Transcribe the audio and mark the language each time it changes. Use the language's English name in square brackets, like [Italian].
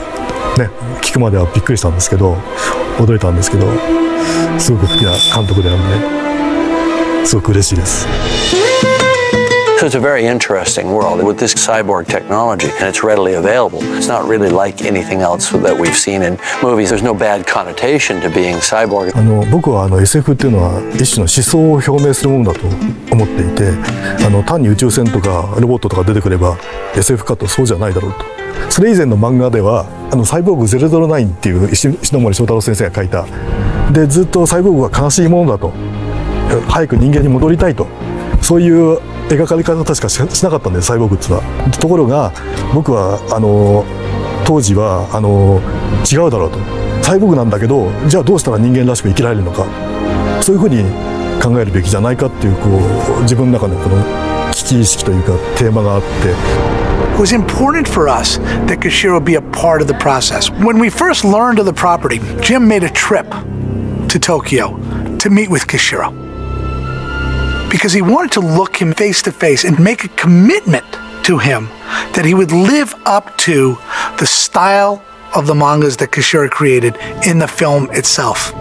[Japanese] ジェームズ・キャメロンのね、ターミネーター、ターミネーター2、もう超大好きで、もうターミネーターもターミネーター2も何回も何回も本当に何度見たか分かんないぐらい見返して、で、ロドリゲス監督のデスペラードとか、マーチェーデとか、プラネットオブテラーとか、超大好きで、やっぱりね。で、まさかね、ドルズ監督がメガホンを取れた、ね、聞くまではびっくりしたんですけど、 驚いたんですけど、すごく好きな監督であるんで、すごく嬉しいです。 [English] So it's a very interesting world with this cyborg technology, and it's readily available. It's not really like anything else that we've seen in movies. There's no bad connotation to being cyborg. [Japanese] SF っていうのは一種の思想を表明するものだと思っていて、単に宇宙船とかロボットとか出てくれば SF かと、そうじゃないだろうと。それ以前の漫画ではサイボーグ009っていう篠森章太郎先生が書いた、でずっとサイボーグは悲しいものだと、早く人間に戻りたいと、そういう描かれ方しかしなかったんです、サイボーグっていうのは。ところが僕は当時は違うだろうと、サイボーグなんだけどじゃあどうしたら人間らしく生きられるのか、そういうふうに考えるべきじゃないかってい こう自分の中のこの危機意識というかテーマがあって、 [English] It was important for us that Kishiro be a part of the process. When we first learned of the property, Jim made a trip to Tokyo to meet with Kishiro because he wanted to look him face to face and make a commitment to him that he would live up to the style of the mangas that Kishiro created in the film itself.